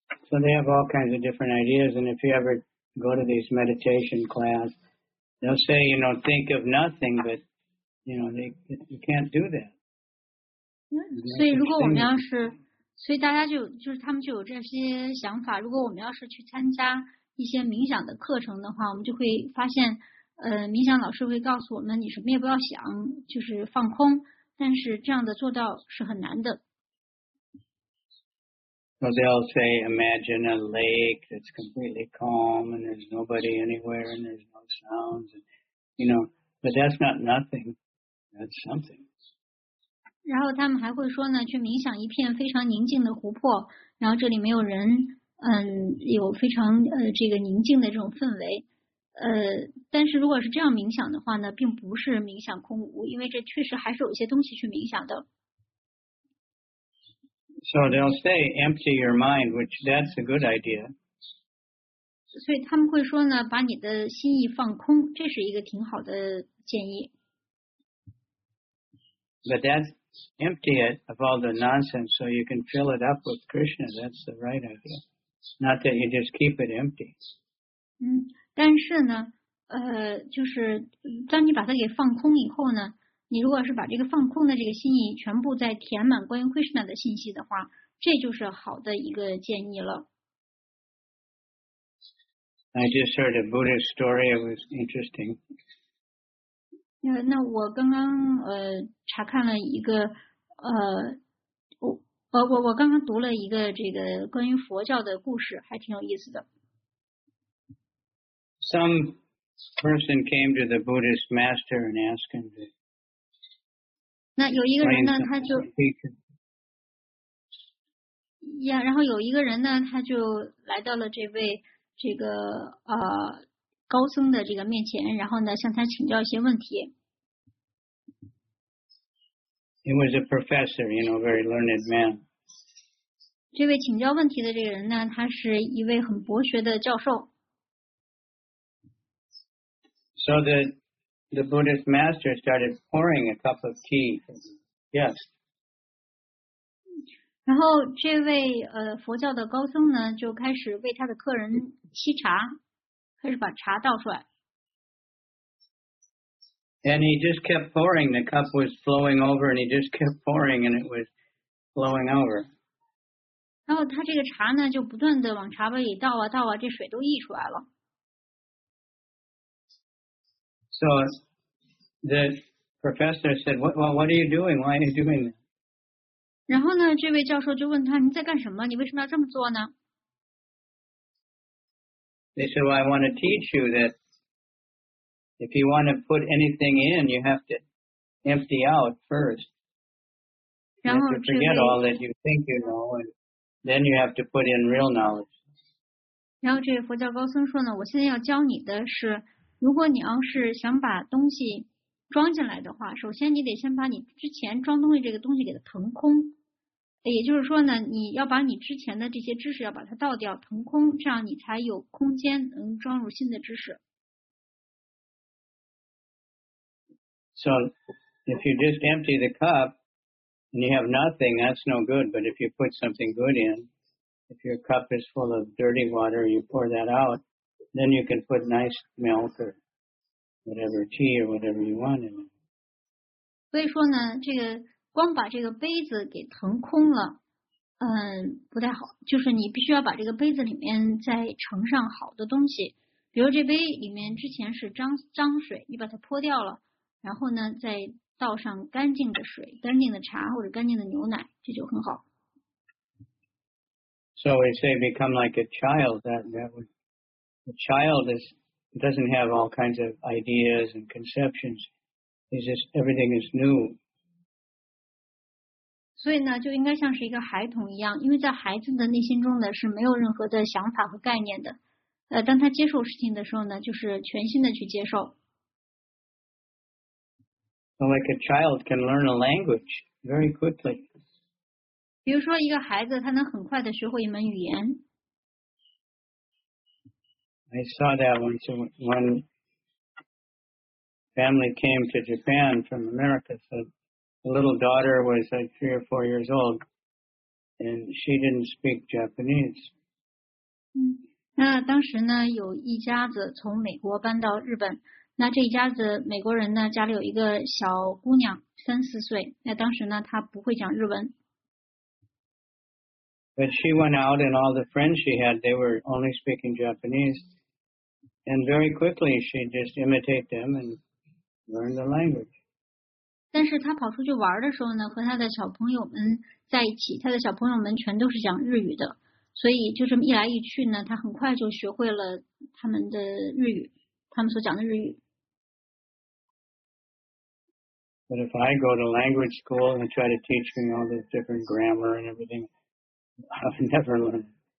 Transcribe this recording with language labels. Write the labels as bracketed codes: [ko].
[en] So they have all kinds of different ideas, and if you ever go to these meditation classes. They'll say, you know, think of nothing, but, you know, you can't do that. [zh] 所以如果我们要是，所以大家就是他们就有这些想法。如果我们要是去参加一些冥想的课程的话，我们就会发现，冥想老师会告诉我们，你什么也不要想，就是放空。但是这样的做到是很难的。 [en] So they'll say, imagine a lake that's completely calm and there's nobody anywhere and there's no sounds, and, you know, but that's not nothing, that's something. [zh] 然后他们还会说呢，去冥想一片非常宁静的湖泊，然后这里没有人，有非常这个宁静的这种氛围，但是如果是这样冥想的话呢，并不是冥想空无，因为这确实还是有一些东西去冥想的。 [en] So they'll say, empty your mind, which that's a good idea. [zh] 所以他们会说呢，把你的心意放空，这是一个挺好的建议。 [en] But that's empty it of all the nonsense, so you can fill it up with Krishna. That's the right idea. Not that you just keep it empty. [zh] 但是呢，就是当你把它给放空以后呢。你如果是把这个放空的这个心意全部在填满关于 Krishna 的信息的话，这就是好的一个建议了。 [en] I just heard a Buddhist story. It was interesting. [zh] 那我刚刚查看了一个我刚刚读了一个这个关于佛教的故事，还挺有意思的。 [en] Some person came to the Buddhist master and asked him to. [zh] 那有一个人呢，他就呀，然后有一个人呢，他就来到了这位这个高僧的这个面前，然后呢，向他请教一些问题。 [en] He was a professor, you know, very learned man. [zh] 这位请教问题的这个人呢，他是一位很博学的教授。 [en] So that. The Buddhist master started pouring a cup of tea. Yes. [zh] 然后这位佛教的高僧呢，就开始为他的客人沏茶，开始把茶倒出来。 [en] And he just kept pouring. The cup was flowing over, and he just kept pouring, and it was flowing over. [zh] 然后他这个茶呢，就不断的往茶杯里倒啊倒啊，这水都溢出来了。 [en] So the professor said, what are you doing? Why are you doing that? [zh] 然后呢，这位教授就问他，你在干什么？你为什么要这么做呢？ [en] They said, well, I want to teach you that if you want to put anything in, you have to empty out first. You have to forget all that you think you know, and then you have to put in real knowledge. [zh] 然后这位佛教高僧说呢，我现在要教你的是如果你要是想把东西装进来的话，首先你得先把你之前装东西这个东西给它腾空，也就是说呢，你要把你之前的这些知识要把它倒掉腾空，这样你才有空间能装入新的知识。 [en] So if you just empty the cup and you have nothing, that's no good. But if you put something good in, if your cup is full of dirty water, you pour that outThen you can put nice milk or whatever tea or whatever you want in it. [zh] 所以说呢，这个光把这个杯子给腾空了，不太好。就是你必须要把这个杯子里面再盛上好的东西，比如这杯里面之前是脏水，你把它泼掉了，然后呢再倒上干净的水、干净的茶或者干净的牛奶，这就很好。 [en] So we say become like a child. A child doesn't have all kinds of ideas and conceptions. It's just everything is new. [zh] 所以呢，就应该像是一个孩童一样，因为在孩子的内心中呢是没有任何的想法和概念的。当他接受事情的时候呢，就是全新的去接受。 [en] Well, like a child can learn a language very quickly. [zh] 比如说，一个孩子他能很快的学会一门语言。 [en] I saw that once when family came to Japan from America. So a little daughter was like 3 or 4 years old, and she didn't speak Japanese. [zh] 那当时呢，有一家子从美国搬到日本。那这一家子美国人呢，家里有一个小姑娘，3、4岁。那当时呢，她不会讲日文。 [en] But she went out, and all the friends she had, they were only speaking Japanese. And very quickly, she just imitate them and learn the language. [zh] 但是她跑出去玩的时候呢，和她的小朋友们在一起，她的小朋友们全都是讲日语的。所以就这么一来一去呢，他很快就学会了他们的日语，他们所讲的日语。 [en] But if I go to language school and try to teach me all this different grammar and everything, I've never learned.